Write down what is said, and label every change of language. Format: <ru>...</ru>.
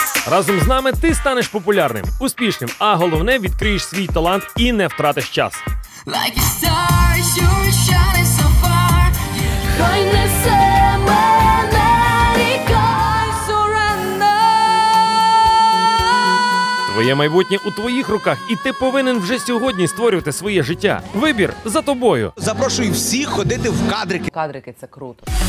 <uk>Разом з нами ти станеш популярним, успішним, а головне – відкриєш свій талант і не втратиш час.</uk> <en>Like a star, you're shining so far.</en> <uk>Хай несе мене ріка і суренда. Твоє майбутнє у твоїх руках, і ти повинен вже сьогодні створювати своє життя. Вибір за тобою. Запрошую всіх ходити в кадрики. Кадрики – це круто.</uk>